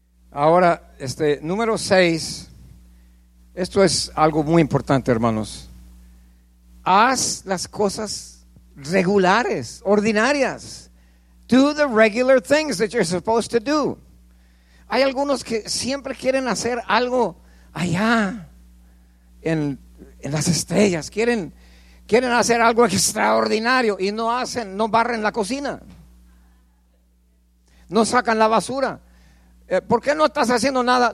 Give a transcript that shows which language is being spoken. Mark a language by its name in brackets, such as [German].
[Spanish] Ahora, número 6. Esto es algo muy importante, hermanos. Haz las cosas regulares, ordinarias. [English] Do the regular things that you're supposed to do. [Spanish] Hay algunos que siempre quieren hacer algo allá en las estrellas. Quieren hacer algo extraordinario y no barren la cocina. No sacan la basura. ¿Por qué no estás haciendo nada?